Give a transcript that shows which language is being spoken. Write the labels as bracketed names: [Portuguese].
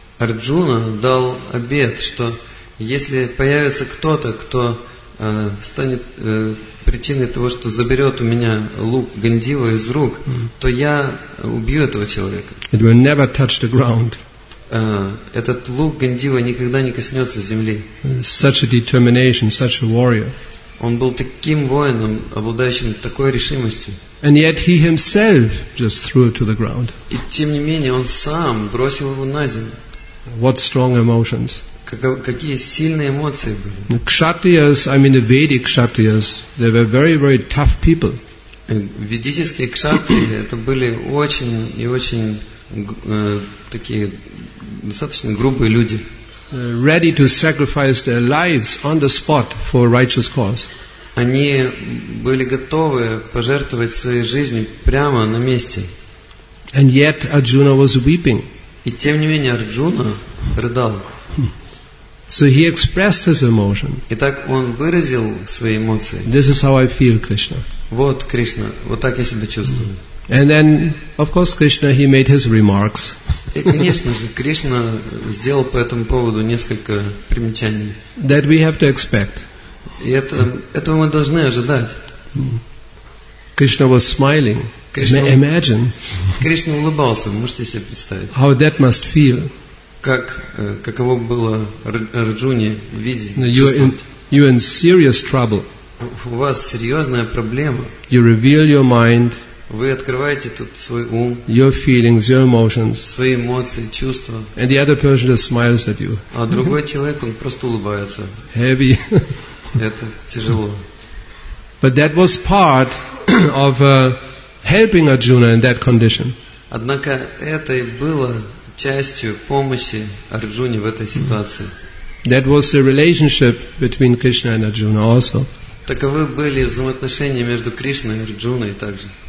[Russian] Арджуна дал обет, что если появится кто-то, кто станет причиной того, что заберет у меня лук Гандива из рук, то я убью этого человека. [English] It will never touch the ground. [Russian] Этот лук Гандива никогда не коснется земли. [English] Such a determination, such a warrior. [Russian] Он был таким воином, обладающим такой решимостью. [English] And yet he himself just threw it to the ground. [Russian] И тем не менее он сам бросил его на землю. [English] What strong emotions! [Russian] Какие сильные эмоции были! [English] The kshatriyas, I mean the Vedic kshatriyas, they were very, very tough people. [Russian] Ведические кшатрии это были очень и очень такие достаточно грубые люди. [English] Ready to sacrifice their lives on the spot for a righteous cause. [Russian] Они были готовы пожертвовать своей жизнью прямо на месте. [English] And yet Arjuna was weeping. [Russian] И тем не менее Арджуна рыдал. [English] So he expressed his emotion. [Russian] Итак, он выразил свои эмоции. [English] This is how I feel, Krishna. [Russian] Вот Кришна, вот так я себя чувствую. [English] And then, of course, Krishna, he made his remarks. [Russian] И, конечно же, Кришна сделал по этому поводу несколько примечаний. [English] That we have to expect. [Russian] И этого мы должны ожидать. [English] Krishna was smiling. Krishna, imagine. [Russian] Кришна улыбался, можете себе представить. [English] How that must feel. [Russian] Как каково было Арджуне видеть? [English] You are in serious trouble. [Russian] У вас серьезная проблема. [English] You reveal your mind. [Russian] Вы открываете тут свой ум. [English] Your feelings, your emotions. [Russian] Свои эмоции, чувства. [English] And the other person just smiles at you. [Russian] А другой человек он просто улыбается. [English] Heavy. [Russian] Это тяжело. [English] But that was part of helping Arjuna in that condition. [Russian] Однако это и было частью помощи Арджуне в этой ситуации. [English] That was the relationship between Krishna and Arjuna also. [Russian] Таковы были взаимоотношения между Кришной и Арджуной также.